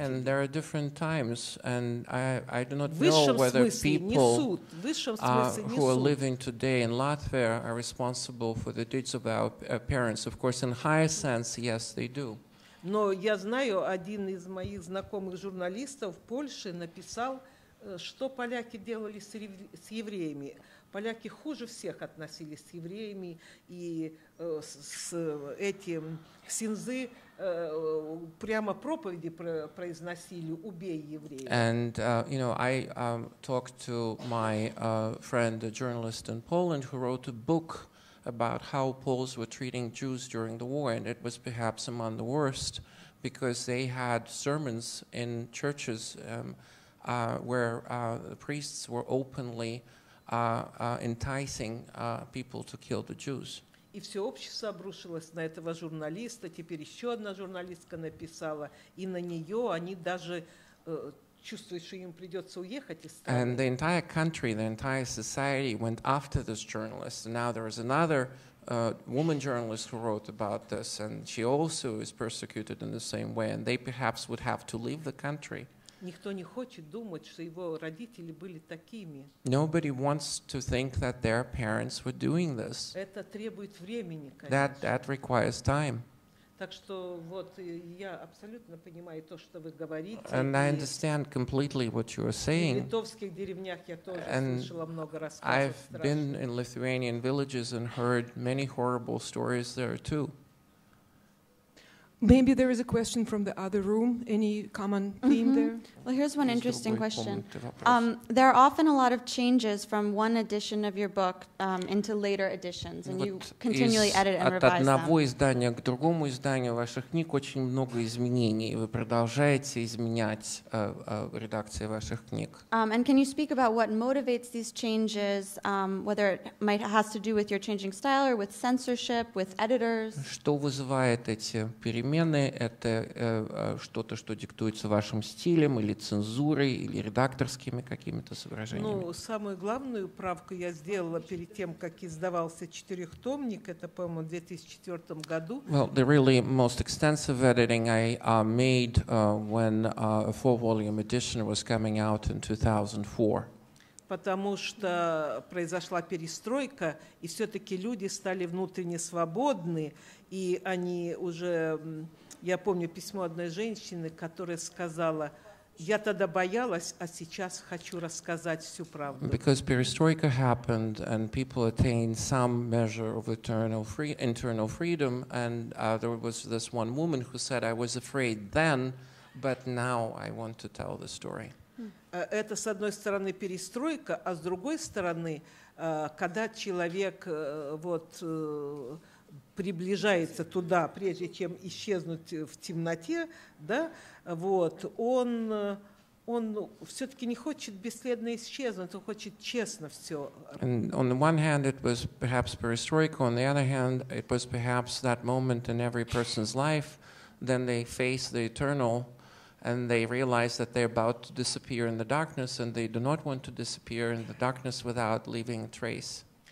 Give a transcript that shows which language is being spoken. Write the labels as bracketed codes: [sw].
[en] And there are different times, and I do not know whether people who are living today in Latvia are responsible for the deeds of our parents. Of course, in higher sense, yes, they do. [ru] Но я знаю, один из моих знакомых журналистов в Польше написал, что поляки делали с евреями. Поляки хуже всех относились с евреями, и с этим синзы прямо проповеди произносили, убей евреев. [en] And, you know, I talked to my friend, a journalist in Poland, who wrote a book about how Poles were treating Jews during the war, and it was perhaps among the worst, because they had sermons in churches where the priests were openly enticing people to kill the Jews. [ru] И все общество обрушилось на этого журналиста. Теперь еще одна журналистка написала, и на нее они даже чувствуют, что им придется уехать из страны. [en] And the entire country, the entire society went after this journalist. And now there is another woman journalist who wrote about this, and she also is persecuted in the same way, and they perhaps would have to leave the country. [ru] Никто не хочет думать, что его родители были такими. [en] Nobody wants to think that their parents were doing this. [ru] Это требует времени, конечно. [en] That requires time. [ru] Так что вот я абсолютно понимаю то, что вы говорите. [en] And I understand completely what you are saying. [ru] В литовских деревнях я тоже слышала много рассказов страшных. [en] I've been in Lithuanian villages and heard many horrible stories there too. Maybe there is a question from the other room. Any common theme mm-hmm. there? Well, here's one interesting question. There are often a lot of changes from one edition of your book into later editions, and you continually edit and revise them. [ru] От одного издания к другому изданию ваших книг очень много изменений, и вы продолжаете изменять редакции ваших книг. [en] And can you speak about what motivates these changes, whether it might has to do with your changing style or with censorship, with editors? [ru] Что вызывает эти перемены? Это что-то, что диктуется вашим стилем, или цензурой, или редакторскими какими-то соображениями? Ну, самую главную правку я сделала перед тем, как издавался четырехтомник, это, по-моему, в 2004 году. [en] Well, the really most extensive editing I made when a four-volume edition was coming out in 2004. [ru] Потому что произошла перестройка, и все-таки люди стали внутренне свободны, и они уже... Я помню письмо одной женщины, которая сказала... Я тогда боялась, а сейчас хочу рассказать всю правду. [en] Because perestroika happened and people attained some measure of internal freedom, and there was this one woman who said, I was afraid then, but now I want to tell the story. [ru] Это с одной стороны перестройка, а с другой стороны, когда человек вот приближается туда, прежде чем исчезнуть в темноте, да, вот, он он все-таки не хочет бесследно исчезнуть, он хочет честно все. [en] And on the one hand, it was perhaps perestroika. On the other hand, it was perhaps that moment in every person's life, then they face the eternal, and they realize that they're about to disappear in the darkness, and they do not want to disappear in the darkness without leaving a trace.